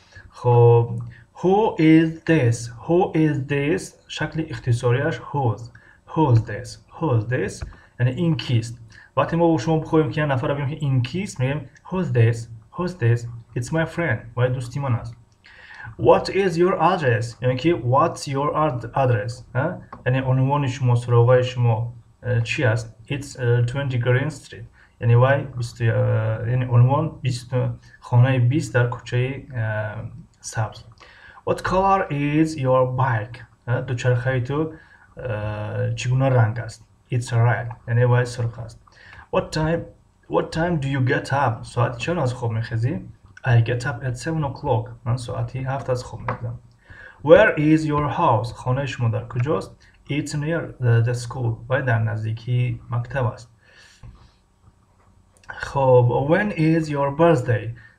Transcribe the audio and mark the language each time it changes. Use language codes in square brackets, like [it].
[fa] خب [en] who is this who is this [fa] شکل اختصاریش [en] who's this [fa] یعنی این کیست وقتی ما با شما بخواهیم که یه نفر رو بگیم که این کیست میگیم [en] Who's this? Who's this? It's my friend. [fa] و یه دوستی من هست. [en] What is your address? [fa] یعنی که [en] What's your address? [fa] یعنی عنوان شما سراغه شما چی هست؟ [en] It's 20 Green Street. [fa] یعنی وای بیست یعنی عنوان بیست خانه بیست در کوچه سبز. [en] What color is your bike? [fa] دوچرخه تو چگونه رنگ است؟ [en] It's red. [fa] یعنی وای سرخ است. [en] What time do you get up? [fa] ساعت چند از خواب میخیزی؟ [en] I get up at 7 o'clock. [fa] من ساعتی 7 از خواب میخیزم. [en] Where is your house? [fa] خانه شما در کجاست؟ [en] It's near the school. [fa] وای در نزدیکی مکتب است. [en] خب When is your birthday?